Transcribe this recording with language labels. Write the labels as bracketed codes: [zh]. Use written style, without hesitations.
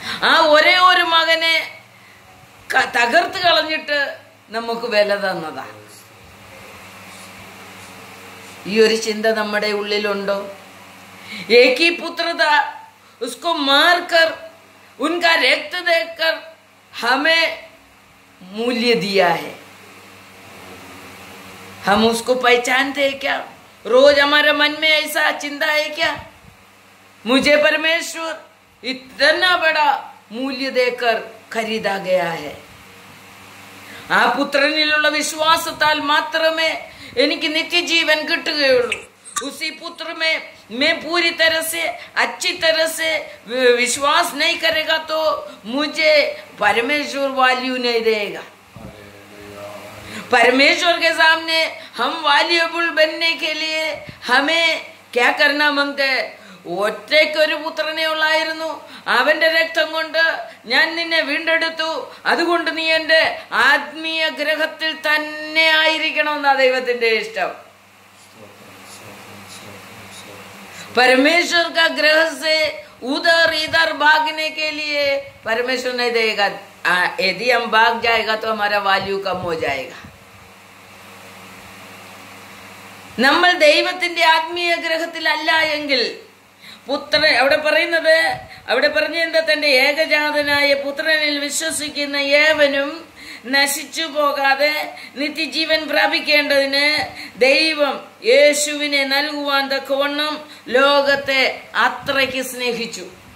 [ml] ആ ഒരേ ഒരു മകനെ തകർത്ത് കളഞ്ഞിട്ട് നമുക്ക് വില തന്നതാ. ഈ ഒരു ചിന്ത നമ്മുടെ ഉള്ളിലുണ്ടോ? [hi] ഏകീ പുത്രത ഉസ്കോ മാർക്കർ ഉൻകാ രക്ത ദേക്കർ ഹമേ മൂല്യ ദിയാഹേ. हम उसको पहचानते हैं क्या? रोज हमारे मन में ऐसा चिंता है क्या? मुझे परमेश्वर इतना बड़ा मूल्य देकर खरीदा गया है. [ml] ആ പുത്രനിലുള്ള വിശ്വാസത്താൽ മാത്രമേ എനിക്ക് നിത്യജീവൻ കിട്ടുകയുള്ളൂ. [hi] उसी पुत्र में मैं पूरी तरह से अच्छी तरह से विश्वास नहीं करेगा तो मुझे परमेश्वर वैल्यू नहीं देगा. परमेश्वर के सामने हम वैल्यूएबल बनने के लिए हमें क्या करना मांगते [ml] ഒറ്റ ഒരു പുത്രനെ ഉള്ളായിരുന്നു, അവന്റെ രക്തം കൊണ്ട് ഞാൻ നിന്നെ വീണ്ടെടുത്തു, അതുകൊണ്ട് നീ എന്റെ ആത്മീയ ഗ്രഹത്തിൽ തന്നെ ആയിരിക്കണമെന്ന ദൈവത്തിന്റെ ഇഷ്ടം. [hi] परमेश्वर का ग्रह से उधर इधर भागने के लिए परमेश्वर नहीं देगा. यदि हम भाग जाएगा तो हमारा वैल्यू कम हो जाएगा. [ml] നമ്മൾ ദൈവത്തിന്റെ ആത്മീയ ഗ്രഹത്തിലല്ലെങ്കിൽ പുത്ര അവിടെ പറയുന്നത് അവിടെ പറഞ്ഞ എന്താ? തന്റെ ഏകജാതനായ പുത്രനിൽ വിശ്വസിക്കുന്ന ഏവനും നശിച്ചു പോകാതെ നിത്യജീവൻ പ്രാപിക്കേണ്ടതിന് ദൈവം യേശുവിനെ നൽകുവാൻ തക്കവണ്ണം ലോകത്തെ അത്രയ്ക്ക് സ്നേഹിച്ചു.